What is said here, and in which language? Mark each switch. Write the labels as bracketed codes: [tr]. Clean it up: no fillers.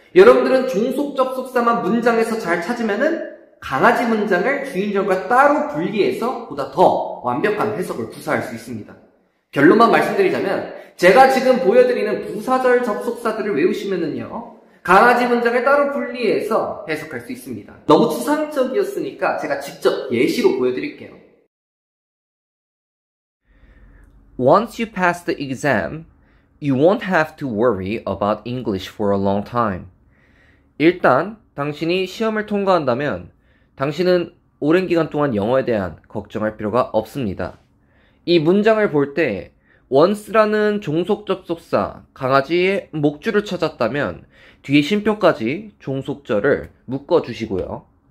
[ko] 여러분들은 종속 접속사만 문장에서 잘 찾으면은 강아지 문장을 주인절과 따로 분리해서 보다 더 완벽한 해석을 구사할 수 있습니다. 결론만 말씀드리자면 제가 지금 보여드리는 부사절 접속사들을 외우시면은요, 강아지 문장을 따로 분리해서 해석할 수 있습니다. 너무 추상적이었으니까 제가 직접 예시로 보여드릴게요. [en] Once you pass the exam, you won't have to worry about English for a long time. [ko] 일단 당신이 시험을 통과한다면 당신은 오랜 기간 동안 영어에 대한 걱정할 필요가 없습니다. 이 문장을 볼 때 once라는 종속 접속사, 강아지의 목줄을 찾았다면 뒤에 쉼표까지 종속절을 묶어주시고요.